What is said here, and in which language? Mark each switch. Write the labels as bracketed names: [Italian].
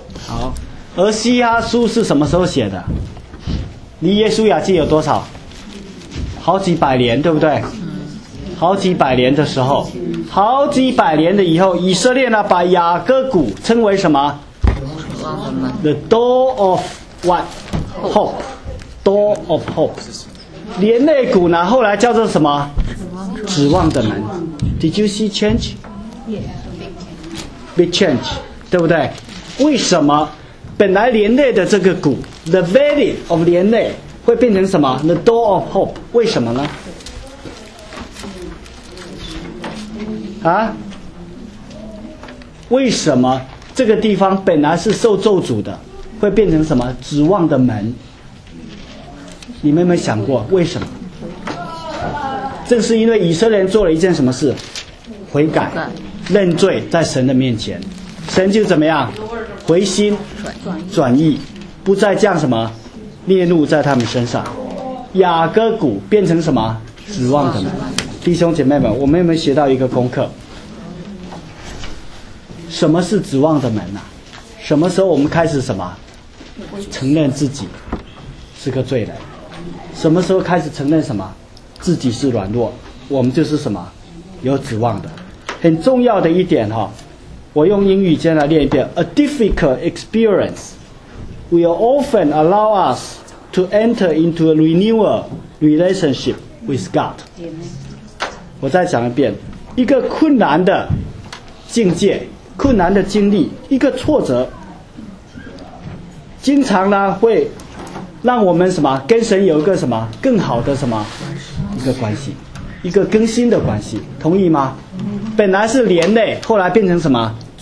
[Chinese] 好，何西阿书是什么时候写的？离耶稣亚记有多少？好几百年，对不对？好几百年的时候，好几百年的以后，以色列呢把雅各谷称为什么？ [English] The door of what? Hope. Door of Hope，连累谷呢？ [Chinese] 后来叫做什么？指望的门。 Did you see change? [English] Yeah, big change，对不对？ [Chinese] 为什么本来连累的这个谷 ， the valley of 连累会变成什么 ？ The door of Hope，为什么呢？啊？为什么这个地方本来是受咒诅的，会变成什么指望的门？你们有没有想过为什么？正是因为以色列人做了一件什么事？悔改认罪，在神的面前，神就怎么样？回心转意，不再降什么烈怒在他们身上。雅各谷变成什么指望的门。弟兄姐妹们，我们有没有学到一个功课？什么是指望的门呢？什么时候我们开始什么承认自己是个罪人？什么时候开始承认什么自己是软弱？我们就是什么有指望的。很重要的一点哈，我用英语先来念一遍。 [English] A difficult experience will often allow us to enter into a renewal relationship with God。 [Chinese] 我再讲一遍，一个困难的境界，困难的经历，一个挫折，经常呢会让我们什么跟神有一个什么更好的什么一个关系，一个更新的关系，同意吗？本来是连累，后来变成什么